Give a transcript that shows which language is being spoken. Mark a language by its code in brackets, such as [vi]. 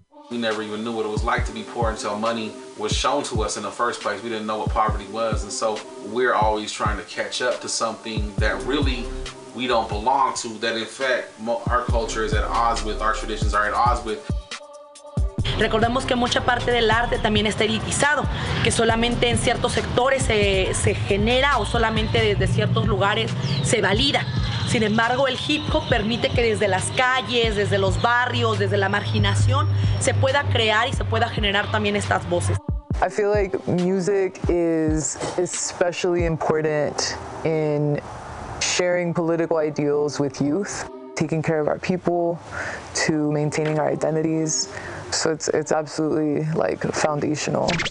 [en] We never even knew what it was like to be poor until money was shown to us in the first place. We didn't know what poverty was. And so we're always trying to catch up to something that really we don't belong to, that in fact our culture is at odds with, our traditions are at odds with. [es] Recordemos que mucha parte del arte también está elitizado, que solamente en ciertos sectores se genera o solamente desde ciertos lugares se valida. Sin embargo, el hip hop permite que desde las calles, desde los barrios, desde la marginación, se pueda crear y se pueda generar también estas voces. [en] I feel like music is especially important in sharing political ideals with youth, taking care of our people, to maintaining our identities. So it's absolutely like foundational.